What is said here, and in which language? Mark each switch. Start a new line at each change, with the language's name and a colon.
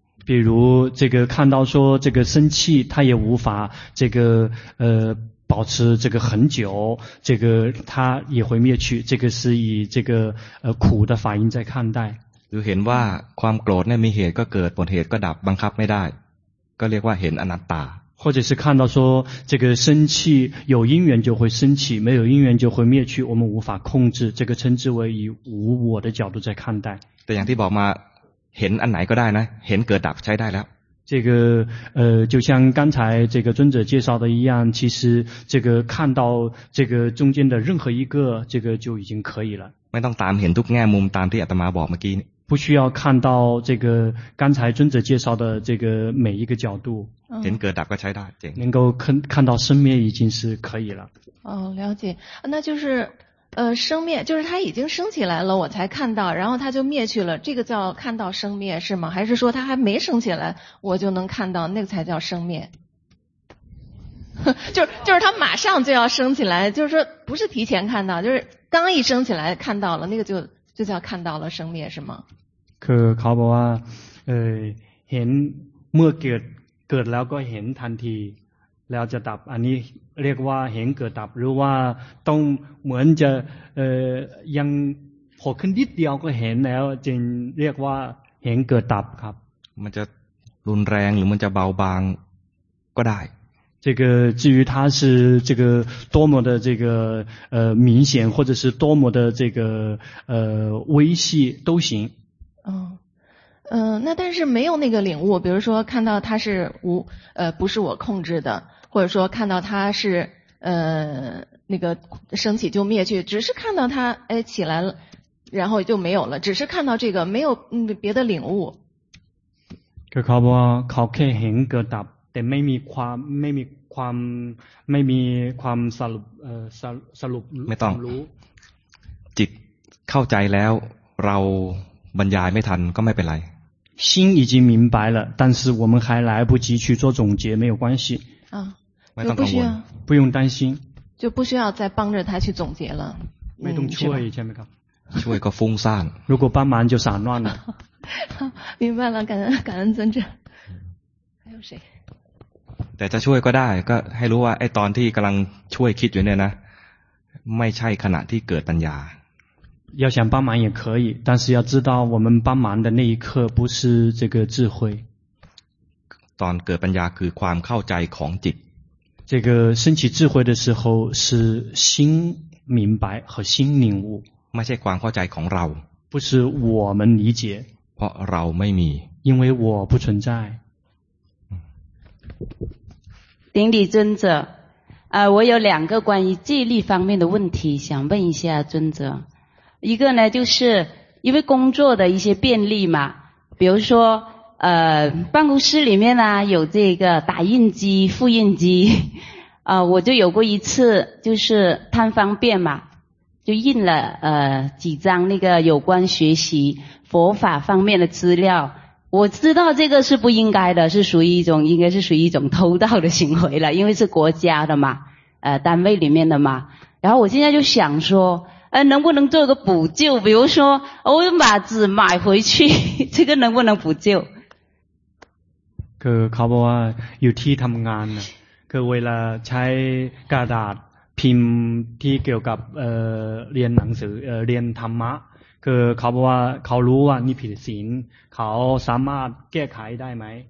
Chinese: 比如这个看到说这个生气它也无法这个保持这个很久这个它也会灭去这个是以这个苦的法印在看待
Thai: 就เห็นว่าความโกรธเนี่ยมีเหตุก็เกิดหมดเหตุก็ดับบังคับไม่ได้ก็เรียกว่าเห็นอนัตตา
Chinese: 或者是看到说这个生气有因缘就会生气没有因缘就会灭去我们无法控制这个称之为以无我的角度在看待
Thai: แต่อย่างที่บอกมาเห็นอันไหนก็ได้นะเห็นเกิดดับใช้ได้แล้ว
Chinese: 这个就像刚才这个尊者介绍的一样其实这个看到这个中间的任何一个这个就已经可以了
Thai: ไม่ต้องตามเห็นทุกแง่มุมตามที่อาตมาบอกเมื่อกี้
Chinese: 不需要看到这个刚才尊者介绍的这个每一个角度
Thai: เห็นเกิดดับก็ใช้ได้
Chinese: 能够看到生灭已经是可以了哦了解那就是生灭就是它已经升起来了我才看到然后它就灭去了这个叫看到生灭是吗还是说它还没升起来我就能看到那个才叫生灭就是它马上就要升起来就是说不是提前看到就是刚一升起来看到了那个就叫看到了生灭是吗
Thai: คือเขาบอกว่าเห็นเมื่อเกิดแล้วก็เห็นทันทีแล้วจะดับอันนี้เรียกว่าเห็นเกิดดับหรือว่าต้องเหมือนจะยังโผล่ขึ้นนิดเดียวก็เห็นแล้วจึงเรียกว่าเห็นเกิดดับครับ มันจะรุนแรงหรือมันจะเบาบางก็ได้
Chinese: 这个至于它是这个多么的这个明显或者是多么的这个微细都行哦那但是没有那个领悟，比如说看到他是无不是我控制的，或者说看到他是那个升起就灭去，只是看到他哎起来了，然后就没有了，只是看到这个没有别的领悟。
Thai: คือเขาบอกเขาแค่เห็นเกิดดับแต่ไม่มีความไม่มีความไม่มีความสรุปสรุป ไม่ต้องจิตเข้าใจแล้วเราบรรยายไม่ทันก็ไม่เป็นไร
Chinese: 心已经明白了但是我们还来不及去做总结没有关系啊就不需要不用担心就不需要再帮着他去总结了
Thai: ไม่ต้องช่วยใช่ไหมครับ ช่วยก็ฟุ้งซ่าน
Chinese: 如果帮忙就散乱了明白了感恩尊者还有谁
Thai: แต่จะช่วยก็ได้ก็ให้รู้ว่าไอ้ตอนที่กำลังช่วยคิดอยู่เนี่ยนะไม่ใช่ขณะที่เกิดปัญญา
Chinese: 要想帮忙也可以但是要知道我们帮忙的那一刻不是这个智慧
Thai: ตอนเกิดปัญญาคือความเข้าใจของจิต
Chinese: 这个升起智慧的时候是心明白和心领悟
Thai: ไม่ใช่ความเข้าใจของเรา
Chinese: 不是我们理解
Thai: เพราะเราไม่มี
Chinese: 因为我不存在顶礼尊者我有两个关于记忆力方面的问题想问一下尊者一个呢就是因为工作的一些便利嘛比如说办公室里面呢有这个打印机复印机我就有过一次就是贪方便嘛就印了几张那个有关学习佛法方面的资料我知道这个是不应该的是属于一种应该是属于一种偷盗的行为了因为是国家的嘛单位里面的嘛然后我现在就想说能不能做个补救比如说我把纸买回去这个能不能补救
Thai: คือเขาบอกว่าอยู่ที่ทำงานนะคือเวลาใช้กระดาษพิมพ์ที่เกี่ยวกับเรียนหนังสือเรียนธรรมะคือเขาบอกว่าเขารู้ว่านี่ผิดศีลเขาสามารถแก้ไขได้ไหม